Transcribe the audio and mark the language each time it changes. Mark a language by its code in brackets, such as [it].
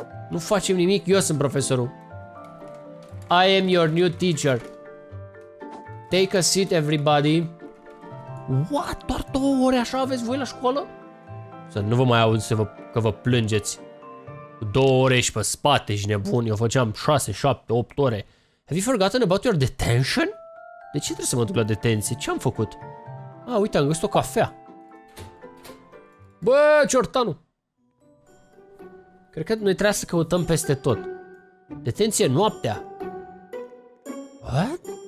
[ro] Nu facem nimic, eu sunt profesorul. [en] I am your new teacher. Take a seat, everybody. [ro] What, doar 2 ore așa aveți voi la școală? Să nu vă mai aud să vă, că vă plângeți. 2 ore și pe spate și nebun, eu făceam 6, 7, 8 ore. [en] Have you forgotten about your detention? [ro] De ce trebuie să mă duc la detenție? Ce am făcut? Ah, uite, am găsit o cafea. Bă, ciortanu! Cred că noi trebuie să căutăm peste tot. Detenție noaptea. [en] What?